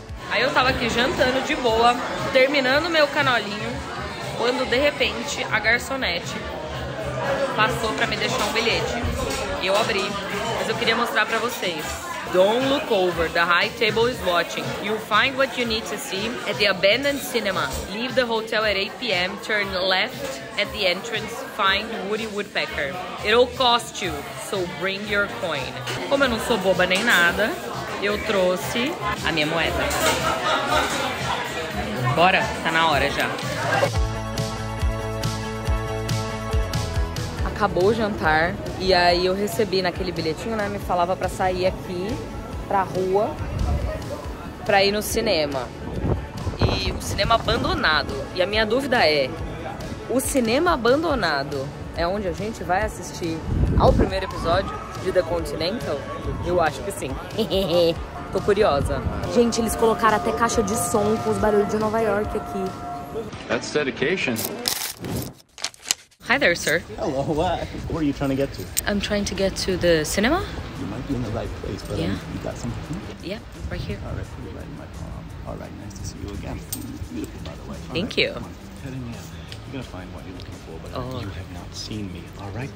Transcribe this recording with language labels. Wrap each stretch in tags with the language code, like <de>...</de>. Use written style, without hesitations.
<pt>Aí eu tava aqui jantando de boa, terminando meu canolinho, quando de repente a garçonete passou pra me deixar um bilhete. E eu abri, mas eu queria mostrar pra vocês.</pt> <en>Don't look over, the high table is watching. You'll find what you need to see at the abandoned cinema. Leave the hotel at 8 p.m., turn left at the entrance, find Woody Woodpecker. It'll cost you, so bring your coin.</en> <pt>Como eu não sou boba nem nada, eu trouxe a minha moeda. Bora, tá na hora já. Acabou o jantar e aí eu recebi naquele bilhetinho, né? Me falava pra sair aqui, pra rua, pra ir no cinema. E o cinema abandonado. E a minha dúvida é, o cinema abandonado é onde a gente vai assistir ao primeiro episódio de The Continental? Eu acho que sim. Tô curiosa. Gente, eles colocaram até caixa de som com os barulhos de Nova York aqui.</pt> <en>That's dedication. Hi there, sir. Hello, what are you trying to get to? I'm trying to get to the cinema. You might be in the right place, but yeah. You got something? Yeah, right here. All right, put it right in my palm. All right, nice to see you again. Beautiful, by the way. All thank right, you. Come on, head in here. You're going to find what you're looking for, but you have not seen me, all right?</en>